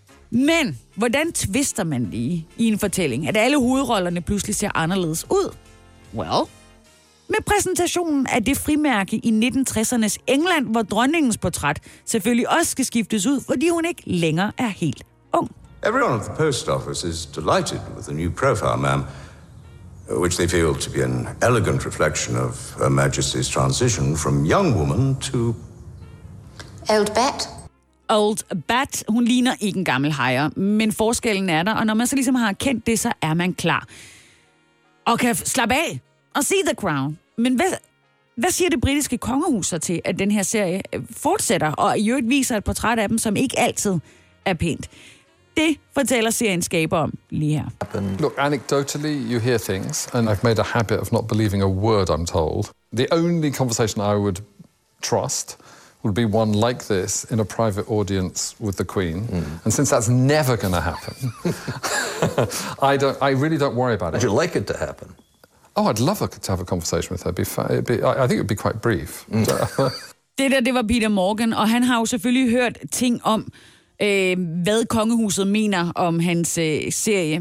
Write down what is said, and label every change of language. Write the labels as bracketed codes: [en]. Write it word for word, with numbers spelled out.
[da] Men hvordan twister man lige i en fortælling, at alle hovedrollerne pludselig ser anderledes ud? Well, med præsentationen af det frimærke i nitten tressernes England, hvor dronningens portræt selvfølgelig også skal skiftes ud, fordi hun ikke længere er helt ung. [en] Everyone at the post office is delighted with the new profile, ma'am, which they feel to be an elegant reflection of Her Majesty's transition from young woman to old bat. Old bat, [da] hun ligner ikke en gammel hejer, men forskellen er der, og når man så ligesom har erkendt det, så er man klar. Og kan slappe af og se The Crown. Men hvad, hvad siger det britiske kongehus så til, at den her serie fortsætter, og i øvrigt viser et portræt af dem, som ikke altid er pænt? Det fortæller seriens skaber om lige her. [en] Look, anecdotally, you hear things, and I've made a habit of not believing a word I'm told. The only conversation I would trust would be one like this in a private audience with the Queen. Mm. And since that's never going to happen, I don't. I really don't worry about it. Would you like it to happen? Oh, I'd love to have a conversation with her. Be fa- it'd be, I think it would be quite brief. Mm. [da] Det der, det var Peter Morgan, og han har jo selvfølgelig hørt ting om, øh, hvad kongehuset mener om hans øh, serie.